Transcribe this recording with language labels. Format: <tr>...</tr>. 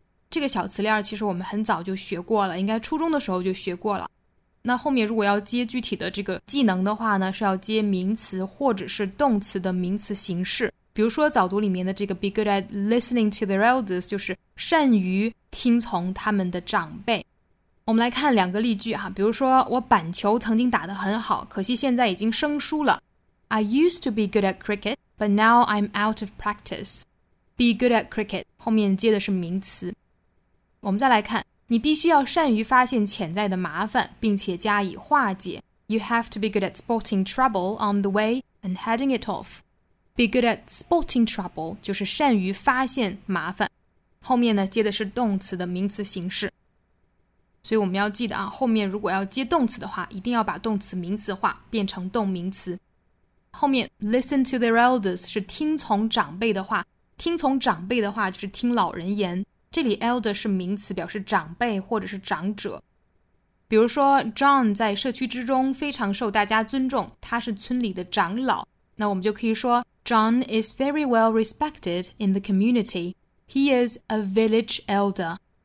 <zh>这个小词链其实我们很早就学过了应该初中的时候就学过了那后面如果要接具体的这个技能的话呢是要接名词或者是动词的名词形式比如说早读里面的这个</zh> <en>be good at listening to their elders</en> <zh>就是善于听从他们的长辈我们来看两个例句哈，比如说我板球曾经打得很好可惜现在已经生疏了</zh> <en>I used to be good at cricketBut now I'm out of practice. Be good at cricket.</en> <zh>后面接的是名词。我们再来看，你必须要善于发现潜在的麻烦，并且加以化解。</zh> <en>You have to be good at spotting trouble on the way and heading it off. Be good at spotting trouble</en> <zh>就是善于发现麻烦。后面呢接的是动词的名词形式。所以我们要记得啊，后面如果要接动词的话，一定要把动词名词化，变成动名词。后面</zh> <en>listen to their elders</en> <zh>是听从长辈的话听从长辈的话就是听老人言这里 elder 是名词表示长辈或者是长者比如说 John 在社区之中非常受大家尊重他是村里的长老那我们就可以说</zh> <en>John is very well respected in the community He is a village elder</en>